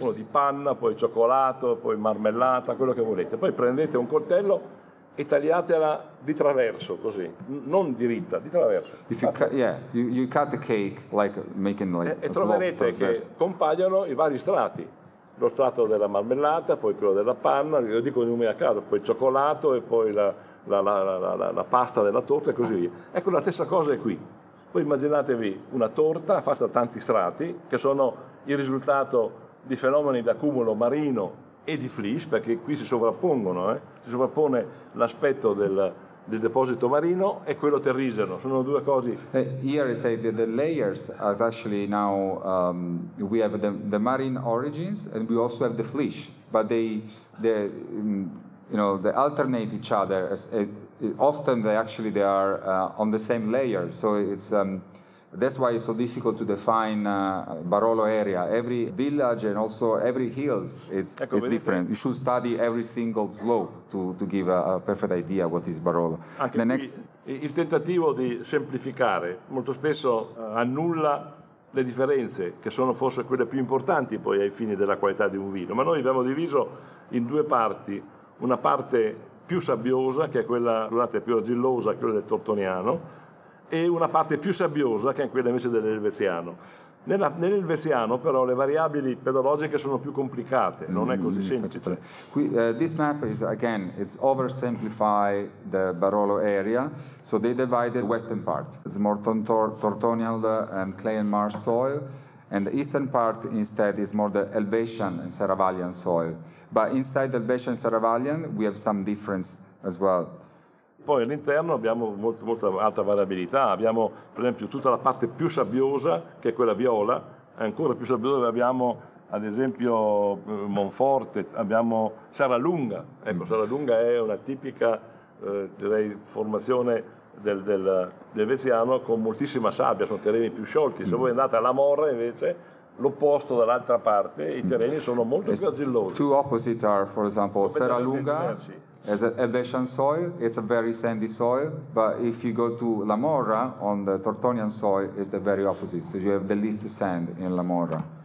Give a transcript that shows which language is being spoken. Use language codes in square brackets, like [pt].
[it] Uno di panna, poi cioccolato, poi marmellata, quello che volete. Poi prendete un coltello e tagliatela di traverso, così. Non diritta, di traverso. [en] If you you cut the cake like making like [it] e troverete che compaiono i vari strati. Lo strato della marmellata, poi quello della panna, lo dico in nome a caso, poi il cioccolato e poi la pasta della torta e così via. Ecco, la stessa cosa è qui. Poi immaginatevi una torta fatta da tanti strati, che sono il risultato di fenomeni di accumulo marino e di flis, perché qui si sovrappongono, si sovrappone l'aspetto del deposito marino e quello terrigeno, sono due cose. [en] Here I say that the layers are actually now, we have the marine origins and we also have the flis, but they alternate each other. Often they are on the same layer, so it's that's why it's so difficult to define Barolo area. Every village and also every hills, it's different. You should study every single slope to give a perfect idea what is Barolo. [it] Anche the qui, next, il tentativo di semplificare molto spesso annulla le differenze che sono forse quelle più importanti poi ai fini della qualità di un vino. Ma noi abbiamo diviso in due parti, una parte più sabbiosa, che è quella, scusate, più argillosa, quella del Tortoniano, e una parte più sabbiosa, che è quella invece dell'Elveziano. Nell'Elveziano, però, le variabili pedologiche sono più complicate, non è così semplice. [en] This map is, again, it's oversimplified the Barolo area, so they divided the western part. It's more Tortonian and clay and marsh soil, and the eastern part, instead, is more the Helvetian and Saravallian soil. But inside the Helvetian Saravallian, we have some difference as well. [it] Poi all'interno abbiamo molto, molto alta variabilità. Abbiamo, per esempio, tutta la parte più sabbiosa, che è quella viola, è ancora più sabbiosa. Abbiamo, ad esempio, Monforte, abbiamo Saralunga. Ecco, Saralunga è una tipica, direi, formazione del Veziano con moltissima sabbia, sono terreni più sciolti. Se voi andate alla Morra, invece, l'opposto dall'altra parte, i terreni sono molto più argillosi. [en] Two opposite are, for example, Saralunga, as an Helvetian soil, it's a very sandy soil, but if you go to La Morra, on the Tortonian soil, it's the very opposite, so you have the least sand in La Morra.